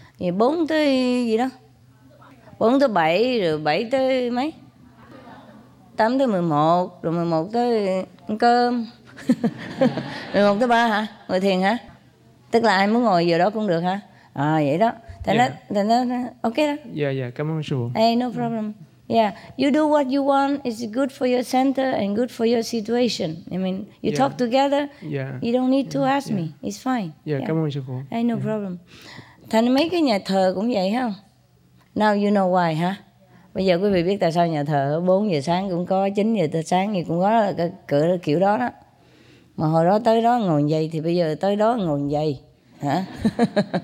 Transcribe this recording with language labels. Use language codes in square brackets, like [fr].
[vi] Vậy 4 tới gì đó. 4 tới 7 rồi 7 tới mấy? 8 tới 11 rồi 11 tới ăn cơm. Người mông thứ ba hả? Ngồi thiền hả? Tức là ai muốn ngồi giờ đó cũng được hả? À vậy đó. Thầy nói, thầy nói, ok đó. Dạ, dạ, cảm ơn sư phụ. [en] Hey, no problem. Yeah, you do what you want, it's good for your center and good for your situation. I mean, you talk together, you don't need to ask me, it's fine. [vi] Yeah, cảm ơn sư phụ. [en] Hey, no problem. [vi] Thầy nói mấy cái nhà thờ cũng vậy không? [en] Now you know why, [vi] hả? Bây giờ quý vị biết tại sao nhà thờ 4 giờ sáng cũng có, 9 giờ sáng thì cũng có cái cửa kiểu đó đó. Mà hồi đó tới đó ngồi dậy thì bây giờ tới đó ngồi dậy. Hả?